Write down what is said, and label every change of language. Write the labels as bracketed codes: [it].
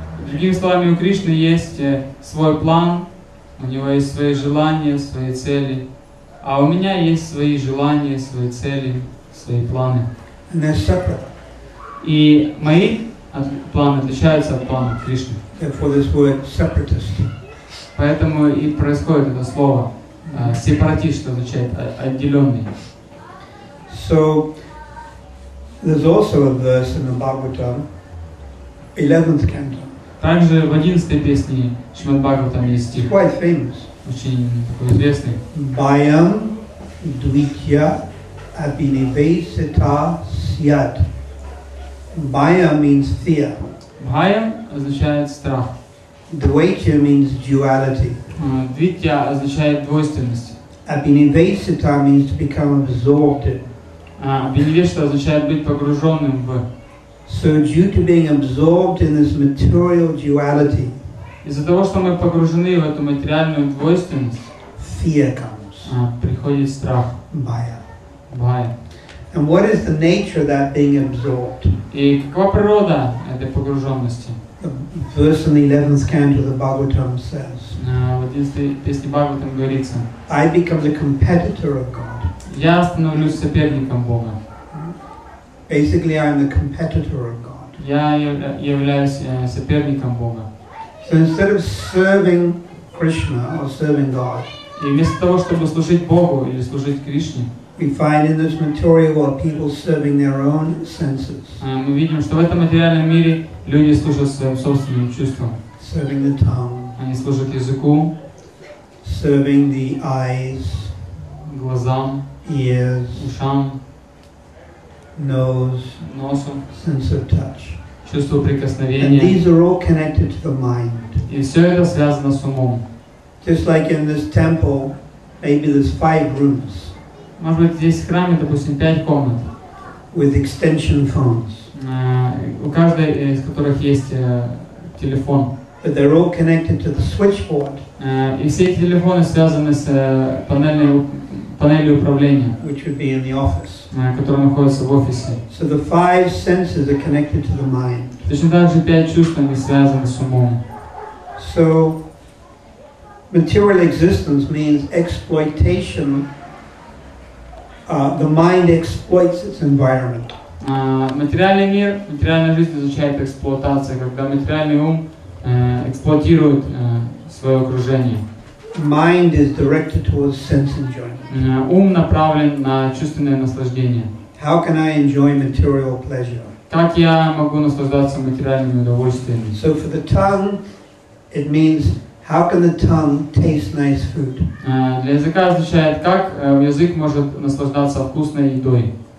[ru] Другими словами, у Кришны есть свой план, у него есть свои желания, свои цели, а у меня есть свои желания, свои цели, свои планы. [en] And they're separate. [ru] И мои планы отличаются от плана Кришны. [en] Therefore, this word separatist. [ru] Поэтому и происходит это слово сепаратист, что означает отделенный. [en] So there's also a verse in the Bhagavatam, 11th canto. [ru] Также в 11-й песне Шримад Бхагаватам есть стих. [en] Quite famous. [ru] Очень такой известный. [sa] Bhayam dvitya abhinivesita syat. [en] Bhayam means fear. [ru] Bhayam означает страх. [en] Dvitya means duality. [ru] Dvitya означает двойственность. [en] Abhinivesita means to become absorbed in. [ru] Абхинавешта означает быть погруженным в. [en] So due to being absorbed in this material duality, [ru] из-за того, что мы погружены в эту материальную двойственность, [en] fear comes. [ru] Приходит страх. [sa] Bhaya. Bhaya. [en] And what is the nature of that being absorbed? [ru] И какова природа этой погруженности? [en] The verse in the 11th canto of the Bhagavatam says. [ru] В 11-й песне Бхагаватам говорится. [en] I become the competitor of God. [ru] Я становлюсь соперником Бога. [en] Basically, I'm the competitor of God. [ru] Я являюсь соперником Бога. [en] So instead of serving Krishna or serving God, [ru] и вместо того, чтобы служить Богу или служить Кришне, [en] we find in this material world people serving their own senses. [ru] Мы видим, что в этом материальном мире люди служат своим собственным чувствам. [en] Serving the tongue. [ru] Они служат языку. [en] Serving the eyes. [ru] Глазам. [en] Ears, [ru] ушам, [en] nose, sense of touch. [ru] Чувство прикосновения. [en] And these are all connected to the mind. [ru] И все это связано с умом. [en] Just like in this temple, maybe there's five rooms. [ru] Может быть, здесь в храме, допустим, пять комнат. [en] With extension phones. [ru] У каждой из которых есть телефон. [en] But they're all connected to the switchboard. [ru] И все эти телефоны связаны с панели управления, [en] which would be in the office. [ru] Которая находится в офисе. [en] So the five senses are connected to the mind. [ru] Точно так же пять чувств, они связаны с умом. [en] So material existence means exploitation. The mind exploits its environment. [ru] Материальный мир, материальная жизнь означает эксплуатация, когда материальный ум эксплуатирует свое окружение. [en] Mind is directed towards sense enjoyment. [ru] Ум направлен на чувственное наслаждение. [en] How can I enjoy material pleasure? [ru] Как я могу наслаждаться материальными удовольствиями? [en] So for the tongue, it means how can the tongue taste nice food? [ru] Для языка означает, как язык может наслаждаться вкусной едой.